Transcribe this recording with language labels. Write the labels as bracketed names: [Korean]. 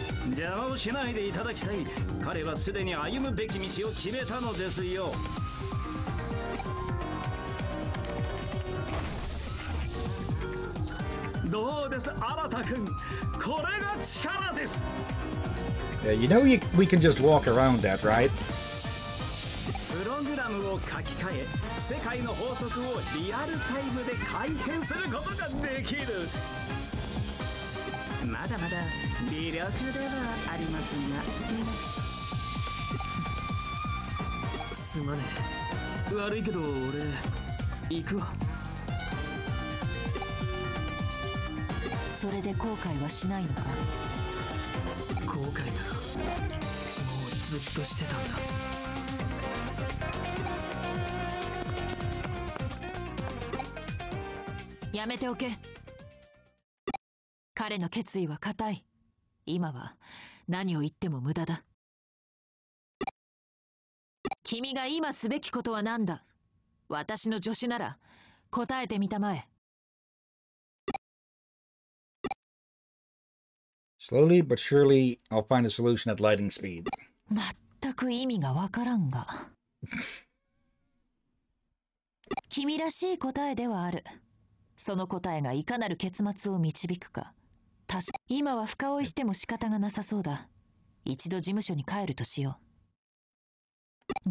[Japanese] 邪魔をしないでいただきたい。彼はすでに歩むべき道を決めたのですよ。どうです、新田君、これが力です。 [English] Yeah, you know we can just walk around that, right? [Japanese] プログラムを書き換え、世界の法則をリアルタイムで回転することができる。まだまだ魅力ではありますが。すまねえ、悪いけど俺行くわ。それで後悔はしないのか。後悔だ。もうずっとしてたんだ。やめておけ。彼の決意は固い。今は何を言っても無駄だ。君が今すべきことは何だ。私の助手なら答えてみたまえ。 [English] Slowly but surely I'll find a solution at lightning speed. [Japanese] 全く意味がわからんが。君らしい答えではある。その答えがいかなる結末を導くか。今は深追いしても仕方がなさそうだ。一度事務所に帰るとしよう。